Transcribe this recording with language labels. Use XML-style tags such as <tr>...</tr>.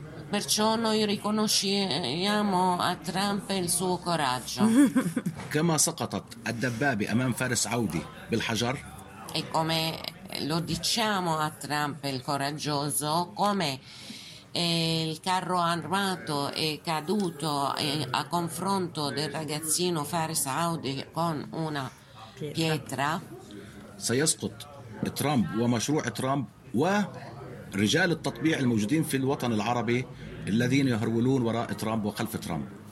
<it>Perciò noi riconosciamo a Trump il suo coraggio. Come</it> <ar>سقطت الدبابة أمام فارس عودي بالحجر.</ar> <it>E come lo diciamo a Trump il coraggioso, come il carro armato è caduto a confronto del ragazzino فارس عودي con una pietra.</it> <ar>سيسقط ترامب ومشروع ترامب و رجال التطبيع الموجودين في الوطن العربي الذين يهرولون وراء ترامب وخلف ترامب.</ar>